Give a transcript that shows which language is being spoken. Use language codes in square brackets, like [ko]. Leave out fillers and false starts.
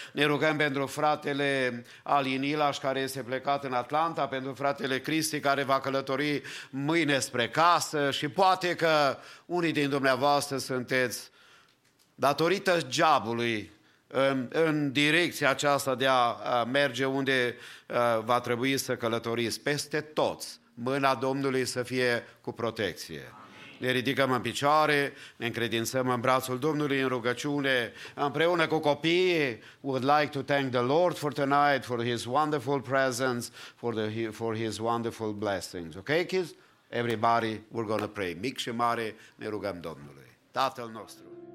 [ro] Ne rugăm pentru fratele Alin Ilaș, care este plecat în Atlanta, pentru fratele Cristi, care va călători mâine spre casă și poate că unii din dumneavoastră sunteți datorită geabului în direcția aceasta de a merge unde va trebui să călătoriți peste toți. Mâna Domnului să fie cu protecție. Ne ridicăm în picioare, ne încredințăm în brațul Domnului în rugăciune, împreună cu copiii. [en] Would like to thank the Lord for tonight, for His wonderful presence, for His wonderful blessings. Okay, kids? Everybody, we're going to pray. [ro] Mic și mare, ne rugăm Domnului. Tatăl nostru.